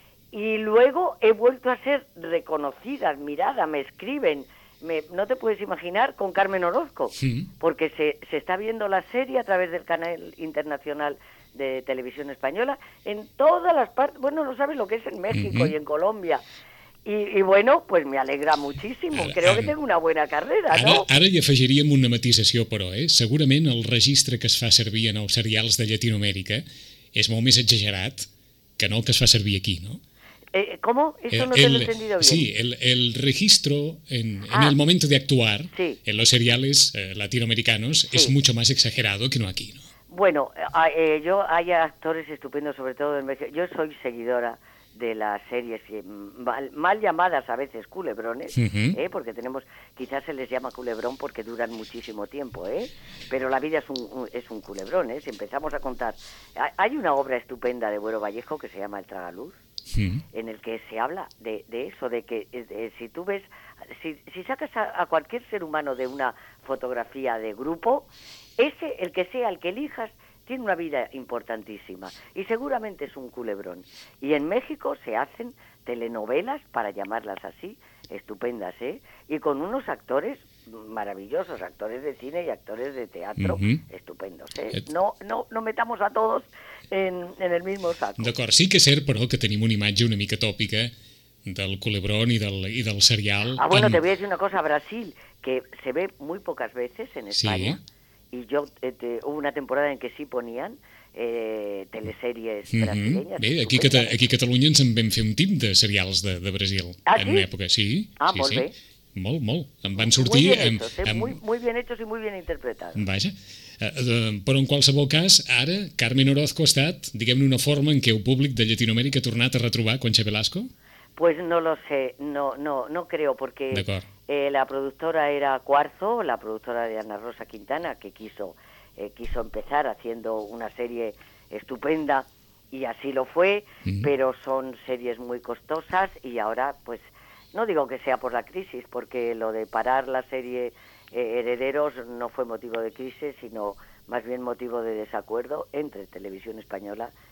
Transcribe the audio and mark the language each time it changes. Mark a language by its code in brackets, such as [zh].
[es] Y luego he vuelto a ser reconocida, admirada, me escriben, no te puedes imaginar, con Carmen Orozco, porque se está viendo la serie a través del canal internacional de Televisión Española, en todas las partes, bueno, no sabes lo que es en México y en Colombia. I bueno, pues me alegra muchísimo. Creo que tengo una buena carrera, ¿no? [ca] Ara hi afegiríem una matisació, però, eh? Segurament el registre que es fa servir en els serials de Llatinoamèrica és molt més exagerat que no el que es fa servir aquí, no? [es] ¿Cómo? Eso no te lo he entendido bien. Sí, el registro en el momento de actuar en los seriales latinoamericanos es mucho más exagerado que no aquí, ¿no? Bueno, yo hay actores estupendos, sobre todo en México. Yo soy seguidora de las series mal llamadas a veces culebrones, porque tenemos, quizás se les llama culebrón porque duran muchísimo tiempo, pero la vida es un culebrón, si empezamos a contar. Hay una obra estupenda de Buero Vallejo que se llama El Tragaluz, en el que se habla de eso, de que si tú ves, si sacas a cualquier ser humano de una fotografía de grupo, ese, el que sea, el que elijas, tiene una vida importantísima y seguramente es un culebrón. Y en México se hacen telenovelas, para llamarlas así, estupendas, y con unos actores maravillosos, actores de cine y actores de teatro estupendos, No metamos a todos en el mismo saco. [ca] D'acord, sí que és cert, però, que tenim una imatge una mica tòpica del culebrón i del serial. [es] Ah, bueno, te voy a decir una cosa, Brasil, que se ve muy pocas veces en España. Sí. Y yo, hubo una temporada en que sí ponían teleseries brasileñas. [ca] Bé, aquí a Catalunya ens en vam fer un tip de serials de Brasil. Ah, en sí? Època. Sí? Ah, sí, molt sí. Bé. Molt, molt. Em van sortir... [es] Muy bien hechos y muy bien interpretados. [ca] Vaja. Però en qualsevol cas, ara, Carmen Orozco ha estat, diguem-ne, una forma en què el públic de Llatinoamèrica ha tornat a retrobar Conxa Velasco? [es] Pues no lo sé, no creo, porque la productora era Cuarzo, la productora de Ana Rosa Quintana, que quiso empezar haciendo una serie estupenda, y así lo fue, pero son series muy costosas, y ahora, pues, no digo que sea por la crisis, porque lo de parar la serie Herederos no fue motivo de crisis, sino más bien motivo de desacuerdo entre Televisión Española